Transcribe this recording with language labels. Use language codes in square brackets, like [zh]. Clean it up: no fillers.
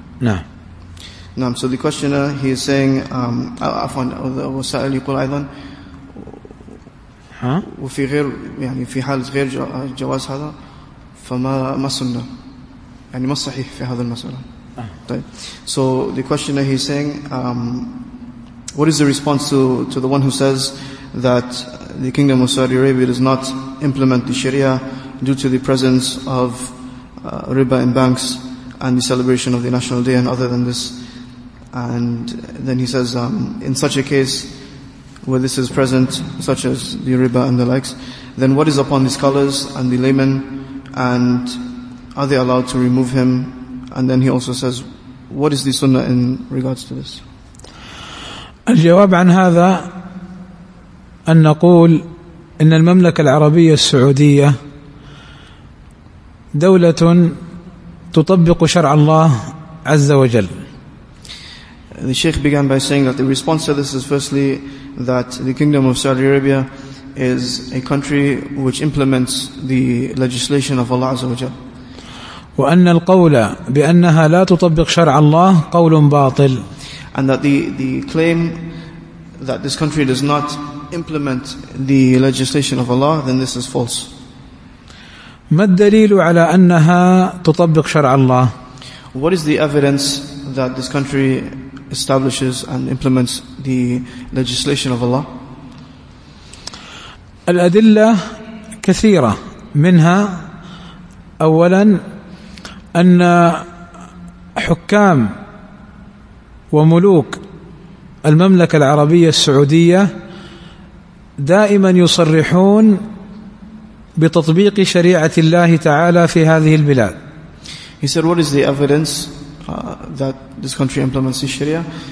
[ar] نعم. [en] So the questioner, he is saying, [ar] وسائل يقول أيضا, وفي غير يعني في حالة غير جواز هذا, فما سنة يعني ما صحيح في هذا المسألة. طيب. [en] So the questioner, he is saying, what is the response to the one who says that the Kingdom of Saudi Arabia does not implement the Sharia due to the presence of riba in banks and the celebration of the National Day and other than this? And then he says, in such a case where this is present, such as the riba and the likes, then what is upon the scholars and the laymen, and are they allowed to remove him? And then he also says, what is the sunnah in regards to this? [ar] الجواب عن هذا أن نقول إن المملكة العربية السعودية دولة تطبق شرع الله عز وجل. [en] The Sheikh began by saying that the response to this is firstly that the Kingdom of Saudi Arabia is a country which implements the legislation of Allah عز وجل. [ar] وأن القول بأنها لا تطبق شرع الله قول باطل. [en] And that the claim that this country does not implement the legislation of Allah, then this is false. [ar] ما الدليل على أنها تطبق شرع الله؟ [en] What is the evidence that this country establishes and implements the legislation of Allah? [ar] الأدلة كثيرة, منها أولا أن حكام وملوك المملكة العربية السعودية دائما يصرحون بتطبيق شريعة الله تعالى في هذه البلاد. [en] He said, what is the evidence that this country implements the Sharia?